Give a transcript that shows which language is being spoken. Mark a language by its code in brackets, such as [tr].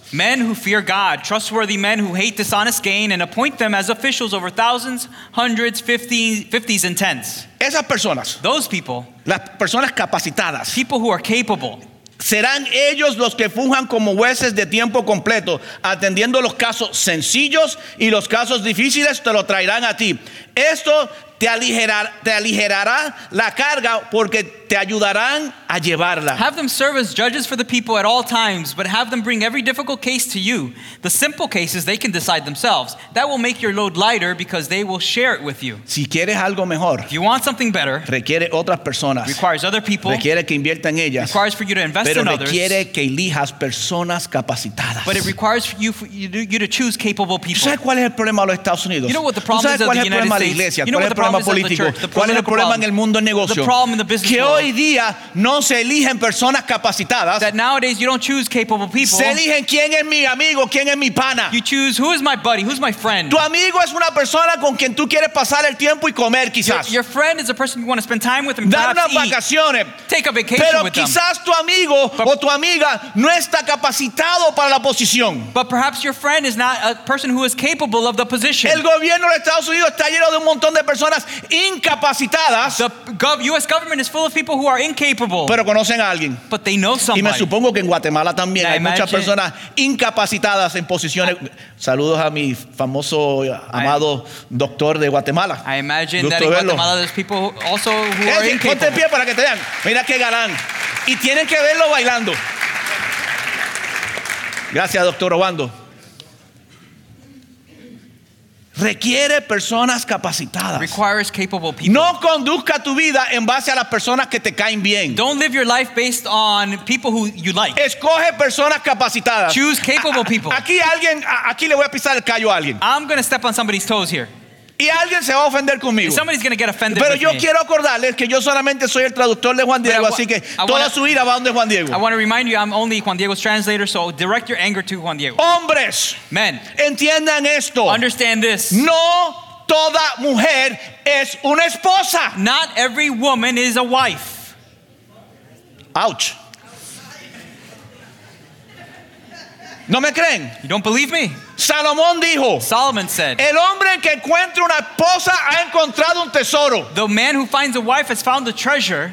[en] Men who fear God, trustworthy men who hate dishonest gain, and appoint them as officials over thousands, hundreds, fifties, and tens. [es] Esas personas. [en] Those people. [es] Las personas capacitadas. [en] People who are capable. [es] Serán ellos los que funjan como jueces de tiempo completo, atendiendo los casos sencillos y los casos difíciles te lo traerán a ti. Esto te aligerará la carga porque te ayudarán a llevarla. [en] Have them serve as judges for the people at all times, but have them bring every difficult case to you. The simple cases they can decide themselves. That will make your load lighter because they will share it with you. [es] Si quieres algo mejor, [en] if you want something better, [es] requiere otras personas. [en] Requires other people. [es] Requiere que inviertan ellas. [en] Requires for you to invest in others. [es] Pero requiere que elijas personas capacitadas. [en] But it requires you to choose capable people. [es] ¿Sabes cuál es el problema de los Estados Unidos? [en] You know what the problem is of the United States? [es] ¿Cuál es el problema político? ¿Cuál es el problema en el mundo en negocio? [en] The problem in the business [es] que [en] world. [es] hoy día no se eligen personas capacitadas. [en] That nowadays you don't choose capable people. [es] Se eligen quién es mi amigo, quién es mi pana. [en] You choose who is my buddy, who's my friend. [es] Tu amigo es una persona con quien tú quieres pasar el tiempo y comer quizás. [en] Your friend is a person you want to spend time with and perhaps eat. [es] Dar unas vacaciones. [en] Take a vacation. [es] Pero quizás tu amigo o tu amiga no está capacitado para la posición. [en] But perhaps your friend is not a person who is capable of the position. [es] El gobierno de Estados Unidos está lleno de un montón de personas incapacitadas. [en] U.S. government is full of people who are incapable. [es] Pero conocen a alguien. [en] But they know somebody. [es] Y me supongo que en Guatemala también hay muchas personas incapacitadas en posiciones. Saludos a mi famoso amado doctor de Guatemala. [en] I imagine that in Guatemala there's people also who are incapable. [es] Ponte en pie para que te vean. Mira qué galán. Y tienen que verlo bailando. Gracias, doctor Obando. Requiere personas capacitadas. [en] Requires capable people. [es] No conduzca tu vida en base a las personas que te caen bien. [en] Don't live your life based on people who you like. [es] Escoge personas capacitadas. [en] Choose capable people. [es] Aquí le voy a pisar el callo a alguien. [en] I'm going to step on somebody's toes here. [es] Y alguien se va a ofender conmigo. [en] Somebody's going to get offended. [es] Pero [en] with [es] yo [en] me. [es] Quiero acordarles que yo solamente soy el traductor de Juan Diego, así que toda su ira va donde Juan Diego. [en] I want to remind you I'm only Juan Diego's translator, so direct your anger to Juan Diego. [es] Hombres, [en] men, [es] entiendan esto. [en] Understand this. [es] No toda mujer es una esposa. [en] Not every woman is a wife. Ouch. [es] ¿No me creen? [en] You don't believe me? [es] Salomón dijo. [en] Solomon said. [es] El hombre que encuentra una esposa ha encontrado un tesoro. [en] The man who finds a wife has found a treasure.